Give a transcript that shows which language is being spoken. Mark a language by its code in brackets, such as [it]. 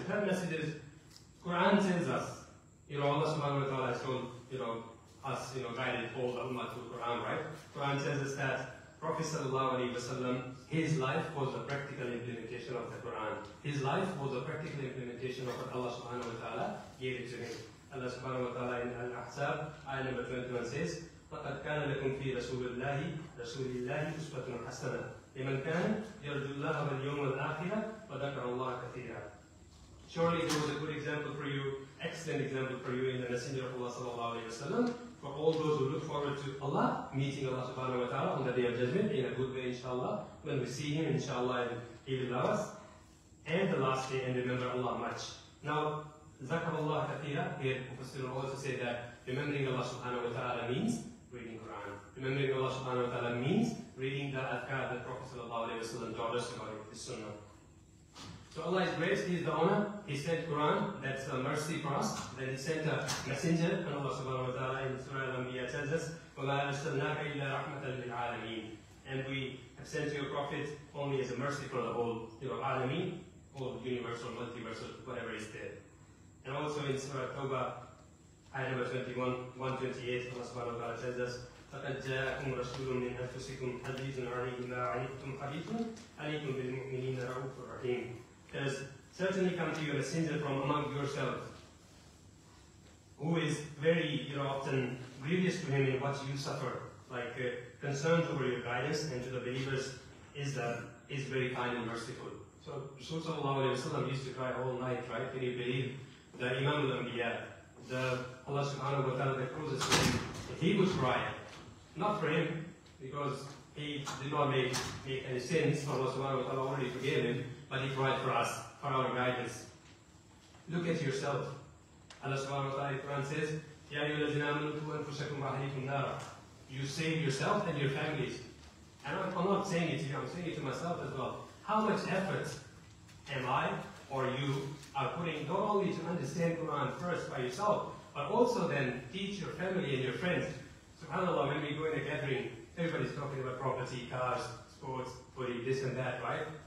[en] Third message is, Quran tells us, you know, Allah subhanahu wa ta'ala has told, you know, us, you know, guided all the Ummah to Quran, right? Quran tells us that Prophet sallallahu alayhi wa sallam, his life was a practical implementation of the Quran. His life was a practical implementation of what Allah subhanahu wa ta'ala gave it to him. Allah subhanahu wa ta'ala in Al-Ahzab, ayah number 21 says, [ar] فَقَدْ كَانَ لَكُمْ فِي رَسُولِ اللَّهِ رَسُولِ اللَّهِ أُسْوَةٌ حَسَنَةٌ لِمَنْ كَانَ يَرْجُو اللَّهَ وَالْيَوْمَ الْآخِرَةِ وَذَكَرَ اللَّهَ كَثِيرًا. [en] Surely there was a good example for you, excellent example for you in the Messenger of Allah sallallahu alayhi wa sallam, for all those who look forward to Allah, meeting Allah subhanahu wa ta'ala on the Day of Judgment in a good way inshallah, when we see Him inshallah and He will love us, and the last day and remember Allah much. Now, [ar] ذَكَرَ اللَّهَ كَثِيرًا, [en] here Mufassirun also say that remembering Allah subhanahu wa ta'ala means reading Quran. Remembering Allah subhanahu wa ta'ala means reading the adhkar that Prophet sallallahu alayhi wa sallam taught us about it, his sunnah. So Allah is great, He is the honor, He sent Quran, that's a mercy for us. Then He sent a messenger, and Allah subhanahu wa ta'ala in Surah Al-Anbiya tells us, [ar] وَلَا أَرْسَلْنَاكَ إِلَّا رَحْمَةً لِلْعَالَمِينَ. [en] And we have sent you a prophet only as a mercy for the whole, you know, alameen, or universal, multiversal, whatever is there. And also in Surah Tawbah, Ayah number 121-128, Allah subhanahu wa ta'ala tells us, [ar] فَقَدْ جَاءَكُمْ رَسُولٌ مِّنْ أَنفُسِكُمْ عَزِيزٌ عَلَيْهِ مَا عَنِتُّمْ حَرِيصٌ عَلَيْكُمْ بِالْمُؤْمِنِينَ رَءُوفٌ رَحِيمٌ. [en] There's certainly come to you a messenger from among yourselves who is very, you know, often grievous to him in what you suffer, like concerned over your guidance, and to the believers is very kind and merciful. So Rasul sallallahu alayhi wa sallam used to cry all night, right? Can you believe the Imam al-Anbiya, the Allah subhanahu wa ta'ala, the closest to him, he would cry. Not for him, because he did not make any sins, Allah subhanahu wa ta'ala already forgave him, but he cried for us, for our guidance. Look at yourself. Allah subhanahu wa ta'ala, Quran says, [ar] يَا أَيُّهَا الَّذِينَ آمَنُوا اتَّقُوا أَنفُسَكُمْ وَأَهْلِيكُمْ نَارًا. [en] You save yourself and your families. And I'm not saying it to you, I'm saying it to myself as well. How much effort am I or you are putting not only to understand Quran first by yourself, but also then teach your family and your friends? SubhanAllah, when we go in a gathering, everybody's talking about property, cars, sports, footy, this and that, right?